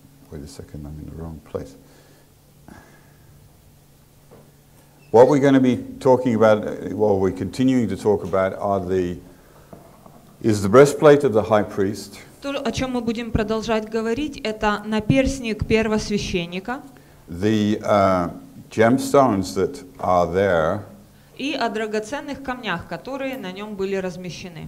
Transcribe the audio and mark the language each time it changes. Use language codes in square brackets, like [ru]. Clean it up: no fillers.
[en] Wait a second, I'm in the wrong place. What we're going to be talking about, well, we're continuing to talk about, is the breastplate of the high priest. [ru] То, о чем мы будем продолжать говорить, это наперсник первосвященника. [en] The gemstones that are there. [ru] И о драгоценных камнях, которые на нем были размещены.